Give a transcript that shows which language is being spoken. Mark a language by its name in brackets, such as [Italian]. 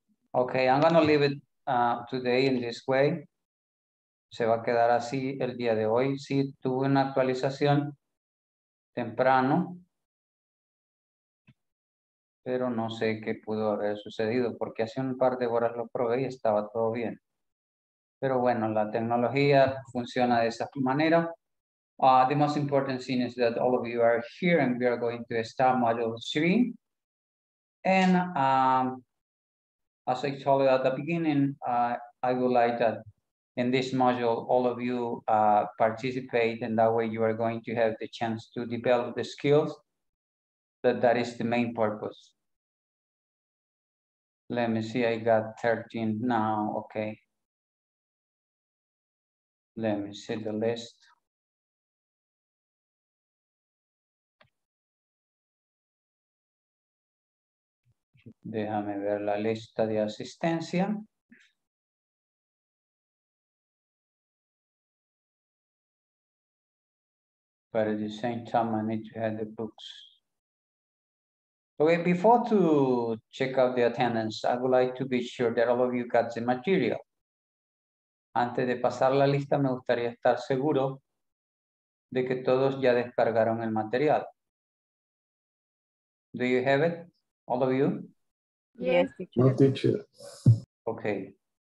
[English] Okay, I'm gonna leave it today in this way. [Spanish] Se va a quedar así el día de hoy. Sí, tuve una actualización temprano, pero no sé qué pudo haber sucedido porque hace un par de horas lo probé y estaba todo bien. Pero bueno, la tecnología funciona de esa manera. [English] The most important thing is that all of you are here and we are going to start module 3. And as I told you at the beginning, I would like that in this module, all of you participate and that way you are going to have the chance to develop the skills. That is the main purpose. Let me see, I got 13 now, okay. Let me see the list. [Spanish] Déjame ver la lista de asistencia. [English] But at the same time, I need to have the books. Okay, before to check out the attendance, I would like to be sure that all of you got the material. [Spanish] Antes de pasar la lista, me gustaría estar seguro de que todos ya descargaron el material. [English] Do you have it, all of you? Yes, teacher. No, teacher. Okay.